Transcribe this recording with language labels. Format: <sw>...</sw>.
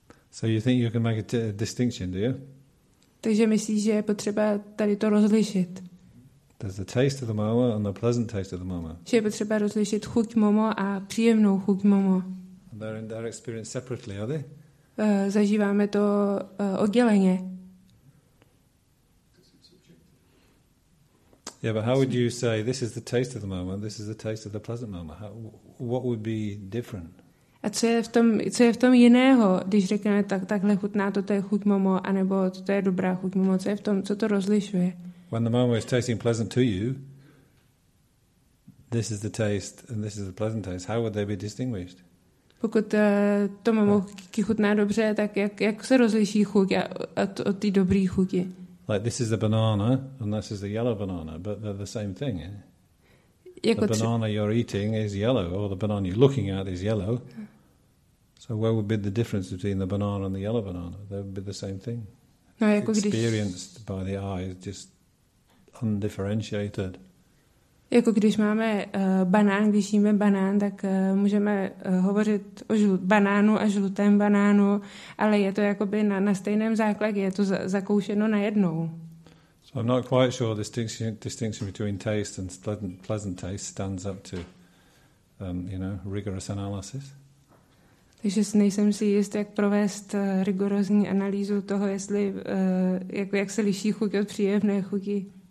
<en>So you think you can make a distinction, do you?</en> <cs>Takže myslíš, že je potřeba tady to rozlišit.</cs> <en>There's the taste of the momo and the pleasant taste of the momo.</en> <cs>Že je potřeba rozlišit chuť momo a příjemnou chuť momo.</cs> <en>And they're experienced separately, are they?</en> <cs>Zažíváme to odděleně.</cs> <en>Yeah, but how would you say this is the taste of the moment, this is the taste of the pleasant moment? What would be different?</en> <cs>A co je v tom jiného, když řekneme tak, takhle chutná, toto je chuť momo, anebo toto je dobrá chuť momo, co je v tom, co to rozlišuje?</cs> <en>When the momo is tasting pleasant to you, this is the taste and this is the pleasant taste, how would they be distinguished?</en> <cs>Pokud to momo chutná dobře, tak jak se rozliší chuť od té dobré chuti?</cs> <en>Like this is a banana and this is a yellow banana, but they're the same thing. Eh?</en> <cs>Jako</cs> <en>the banana you're eating is yellow, or the banana you're looking at is yellow. So where would be the difference between the banana and the yellow banana? They would be the same thing.</en> <cs>No, jako</cs> <en>experienced</en> <cs>když,</cs> <en>by the eye, just undifferentiated.</en> <cs>Jako když máme banán, když jíme banán, tak můžeme hovořit o banánu a žlutém banánu, ale je to jakoby na stejném základě, je to zakoušeno najednou.</cs> <en>So I'm not quite sure the distinction between taste and pleasant taste stands up to rigorous analysis.</en> <cs>Takže nejsem si jist, jak provést rigorózní analýzu toho, jestli jak se liší chuť od příjemné chuti.</cs>